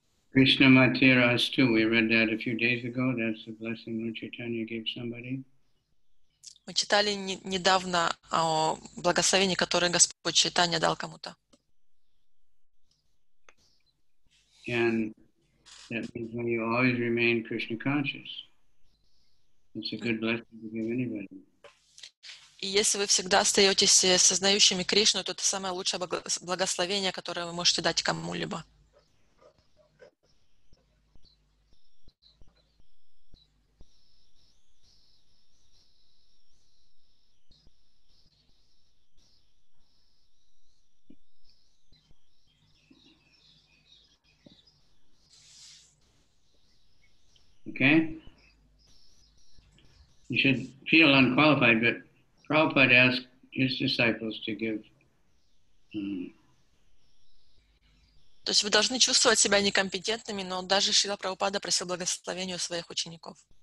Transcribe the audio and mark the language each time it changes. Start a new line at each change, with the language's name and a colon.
English: Krishna Mati Ras too. We read that a few days ago. That's the blessing Lord Chaitanya gave somebody.
Russian: Мы читали недавно о благословении, которое Господь Чайтанья дал кому-то.
English: And that means when you always remain Krishna conscious. It's a good blessing to give anybody.
Russian: И если вы всегда остаетесь сознающими Кришну, то это самое лучшее благословение, которое вы можете дать кому-либо.
English: Okay. You should feel unqualified, but Prabhupada asked his disciples to give.
Russian: То есть вы должны чувствовать себя некомпетентными, но даже Шрила Прабхупада просил благословения у своих учеников.